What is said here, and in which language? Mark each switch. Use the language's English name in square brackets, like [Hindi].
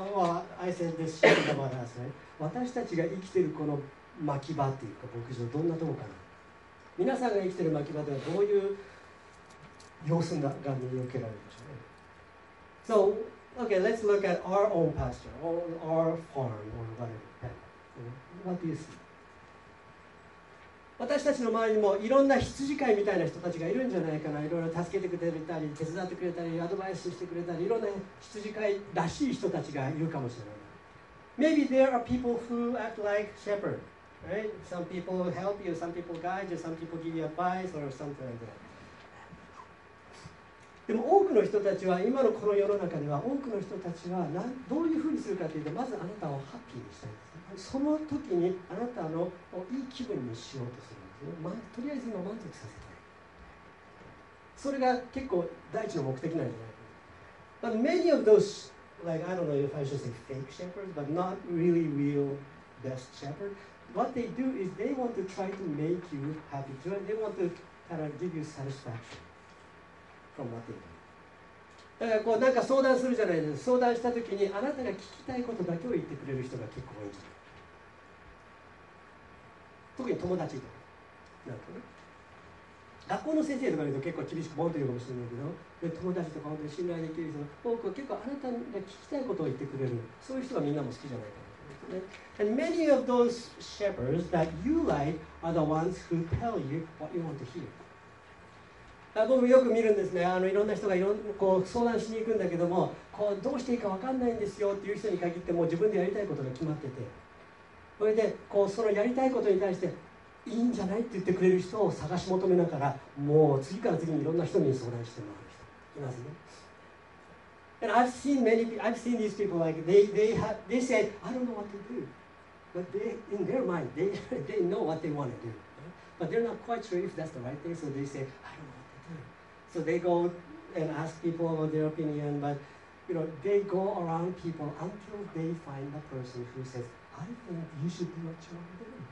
[English] Well, I said this shepherd about us, right? [Japanese] 私たちが生きてるこの牧場っていうか牧場、どんなとこかな。皆さんが生きてる牧場ではどういう様子が見受けられるでしょうね。 [English] So, okay, let's look at our own pasture, our farm, or whatever. What do you see? [Japanese] 私たちの周りにもいろんな羊飼いみたいな人たちがいるんじゃないかな。いろいろ助けてくれたり、手伝ってくれたり、アドバイスしてくれたり、いろんな羊飼いらしい人たちがいるかもしれない。 [English] Maybe there are people who act like shepherds, right? Some people help you, some people guide you, some people give you advice or something like that. [Japanese] でも多くの人たちは、今のこの世の中では多くの人たちはどういうふうにするかというと、まずあなたをハッピーにしたいんです。その時にあなたのいい気分にしようとするんですよ、ま、とりあえず今満足させたい。それが結構第一の目的なんじゃないか。 [English] But many of thoseLike, I don't know if I should say fake shepherds, but not really real best shepherd. What they do is they want to try to make you happy. They want to kind of give you satisfaction from what they do. [Japanese] だからこうなんか相談するじゃないですか。相談したときにあなたが聞きたいことだけを言ってくれる人が結構多いんです。特に友達とか。なんかね。学校の先生とか言うと結構厳しくボンと言うかもしれないけど、で友達とか本当に信頼できる人、多くは結構あなたが聞きたいことを言ってくれる、そういう人がみんなも好きじゃないかなと思うんですね。 [English] And many of those shepherds that you like are the ones who tell you what you want to hear. [Japanese] 僕もよく見るんですね。いろんな人がこう相談しに行くんだけども、こうどうしていいか分かんないんですよっていう人に限って、もう自分でやりたいことが決まってて、それでこうそのやりたいことに対していいんじゃないって言ってくれる人を探し求めながら、もう次から次にいろんな人に相談してもらう人いますね。 [English] And I've seen these people, like they say, I don't know what to do, but they, in their mind, they know what they want to do, but they're not quite sure if that's the right thing, so they say, I don't know what to do. So they go and ask people about their opinion, but you know, they go around people until they find the person who says, I think you should do what you want to do.